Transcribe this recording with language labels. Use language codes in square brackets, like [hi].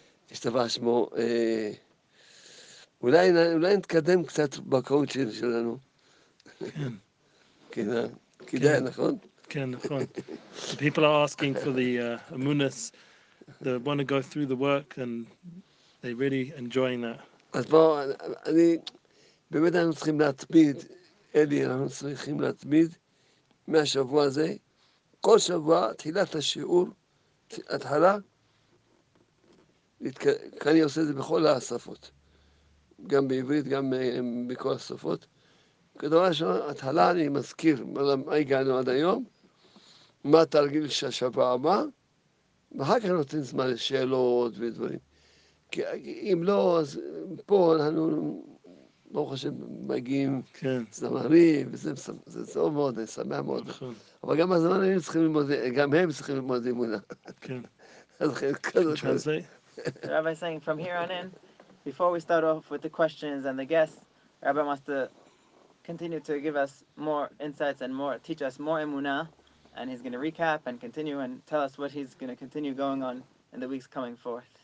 [he] יש דבר שמו, אולי נתקדם קצת בקורות שלנו. כן. כדאי, נכון? כן. [en] People are asking for the Amunas. They want to go through the work and they're really enjoying that. [he] אז בואו, אני, באמת אנחנו צריכים להתמיד, אלי, אנחנו צריכים להתמיד מהשבוע הזה. כל שבוע, תחילת השיעור, התחלה, כאן אני עושה את זה בכל השפות. גם בעברית, גם בכל השפות. כדבר ראשון, התחלה אני מזכיר מה הגענו עד היום, מה התרגיל של השבוע הבא, ואחר כך נותן זמן לשאלות ודברים. כי אם לא, אז פה אנחנו, ברוך השם, מגיעים זמרי, וזה טוב מאוד, אני שמח מאוד. אבל גם הזמן הם צריכים ללמוד, גם הם צריכים ללמוד אמונה. כן. [en] Rabbi is saying, from here on in, before we start off with the questions and the guests, Rabbi wants to continue to give us more insights and more, teach us more emuna, and he's going to recap and continue and tell us what he's going to continue going on in the weeks coming forth.